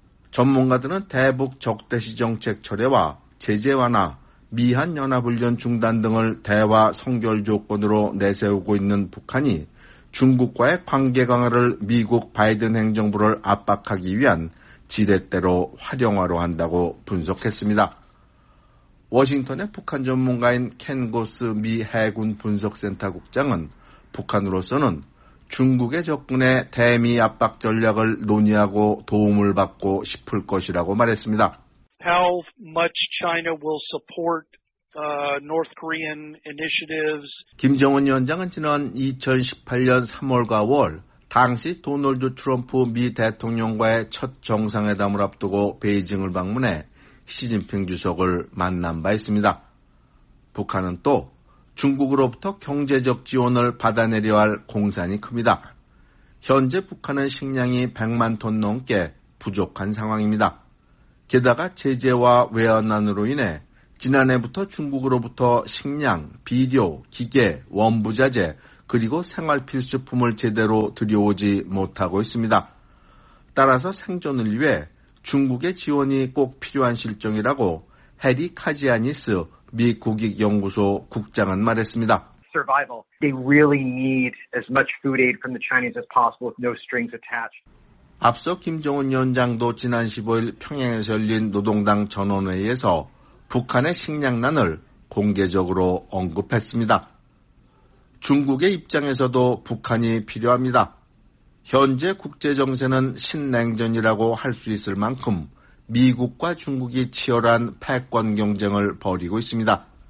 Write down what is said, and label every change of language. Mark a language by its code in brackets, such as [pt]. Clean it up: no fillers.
[ko] 전문가들은 대북 적대시 정책 철회와 제재 완화, 미한 연합훈련 중단 등을 대화 선결 조건으로 내세우고 있는 북한이 중국과의 관계 강화를 미국 바이든 행정부를 압박하기 위한 지렛대로 활용화로 한다고 분석했습니다. 워싱턴의 북한 전문가인 켄 고스 미 해군 분석센터 국장은 북한으로서는 중국의 접근에 대미 압박 전략을 논의하고 도움을 받고 싶을 것이라고 말했습니다. [en] How much China will support North Korean initiatives? [ko] 김정은 위원장은 지난 2018년 3월과 월 당시 도널드 트럼프 미 대통령과의 첫 정상회담을 앞두고 베이징을 방문해 시진핑 주석을 만난 바 있습니다. 북한은 또 중국으로부터 경제적 지원을 받아내려 할 공산이 큽니다. 현재 북한은 식량이 100만 톤 넘게 부족한 상황입니다. 게다가 제재와 외환난으로 인해 지난해부터 중국으로부터 식량, 비료, 기계, 원부자재 그리고 생활필수품을 제대로 들여오지 못하고 있습니다. 따라서 생존을 위해 중국의 지원이 꼭 필요한 실정이라고 해리 카지아니스 미 국익연구소 국장은 말했습니다. [en] Survival. They really need as much food aid from the Chinese as possible with no strings attached. [ko] 앞서 김정은 위원장도 지난 15일 평양에서 열린 노동당 전원회의에서 북한의 식량난을 공개적으로 언급했습니다. 중국의 입장에서도 북한이 필요합니다. 현재 국제정세는 신냉전이라고 할 수 있을 만큼 미국과 중국이 치열한 패권 경쟁을 벌이고 있습니다.